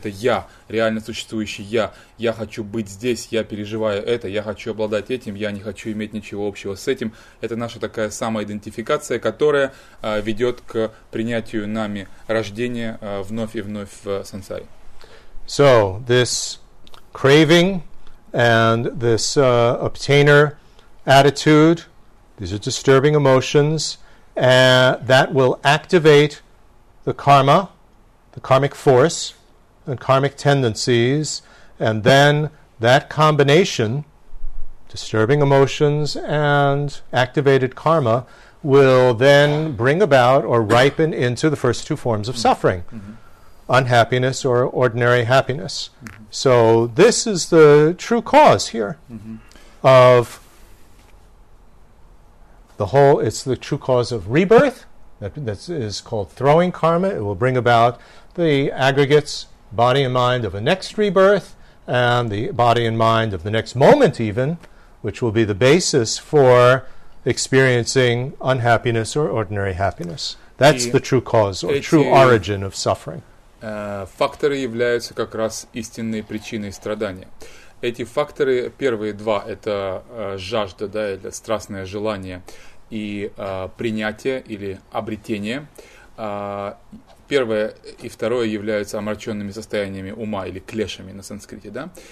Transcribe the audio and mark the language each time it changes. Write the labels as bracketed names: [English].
[Russian] Это я, реально существующий я. Я хочу быть здесь, я переживаю это, я хочу обладать этим, я не хочу иметь ничего общего с этим. Это наша такая самоидентификация, которая ведет к принятию нами рождения вновь и вновь в сансаре. [English] So, this craving... And this obtainer attitude, these are disturbing emotions, that will activate the karma, the karmic force, and karmic tendencies. And then that combination, disturbing emotions and activated karma, will then bring about or ripen into the first two forms of suffering. Mm-hmm. Unhappiness or ordinary happiness. Mm-hmm. So this is the true cause here mm-hmm. of the whole, it's the true cause of rebirth, that is called throwing karma. It will bring about the aggregates, body and mind of a next rebirth, and the body and mind of the next moment even, which will be the basis for experiencing unhappiness or ordinary happiness. That's the true cause or true origin of suffering. [Russian] Факторы являются как раз истинной причиной страдания. Эти факторы, первые два, это жажда, да, это страстное желание и принятие или обретение. Первое и второе являются омраченными состояниями ума или клешами на санскрите, да.